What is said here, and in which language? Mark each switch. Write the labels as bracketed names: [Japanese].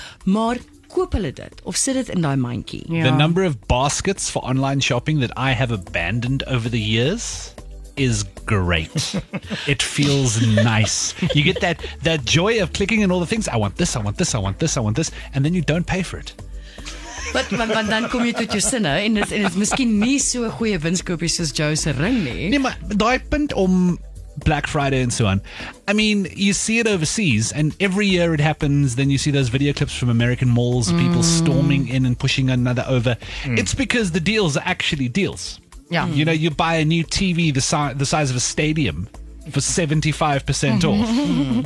[Afrikaans] Maar koop hulle dit of sit dit in die mandjie. [English] Yeah. The number of baskets for online shopping that I have abandoned over the years is great. It feels nice. You get that joy of clicking in all the things. I want this, I want this, I want this, I want this. And then you don't pay for it. [Afrikaans] But want dan kom jy tot jou sinne en is miskien nie so 'n goeie winskoopie soos Joe se ring nie. Nee, maar daai punt om Black Friday [English] and so on. I mean, you see it overseas and every year it happens, then you see those video clips from American malls, people storming in and pushing another over. Mm. It's because the deals are actually deals. Yeah. You know, you buy a new TV the size of a stadium for 75% off.